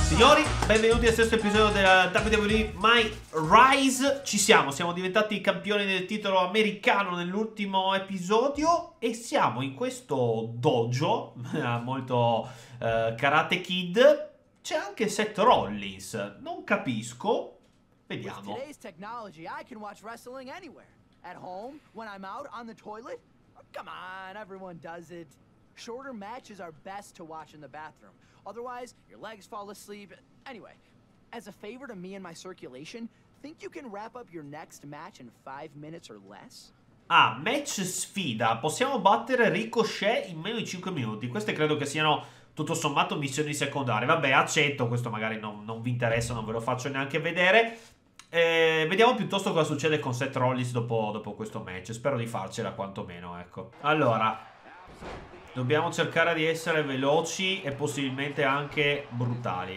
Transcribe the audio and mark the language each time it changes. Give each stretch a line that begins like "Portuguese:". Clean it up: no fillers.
Italian: Signori, benvenuti al sesto episodio della WWE My Rise. Ci siamo, diventati campioni del titolo americano nell'ultimo episodio e siamo in questo dojo molto Karate Kid. C'è anche Seth Rollins. Non capisco. Vediamo.
English: With today's technology, I can watch wrestling anywhere. At home, when I'm out, on the toilet. Come on, everyone does it. Shorter matches are best to watch in the bathroom. Otherwise, your legs fall asleep. Anyway, as a favor to me and my circulation, think you can wrap up your next match in 5 minutes or less?
Italian: Ah, match sfida. Possiamo battere Ricochet in meno di 5 minuti. Queste credo che siano, tutto sommato, missioni secondarie. Vabbè, accetto, questo magari non vi interessa, non ve lo faccio neanche vedere. Vediamo piuttosto cosa succede con Seth Rollins dopo questo match. Spero di farcela quantomeno, ecco. Allora, dobbiamo cercare di essere veloci e possibilmente anche brutali.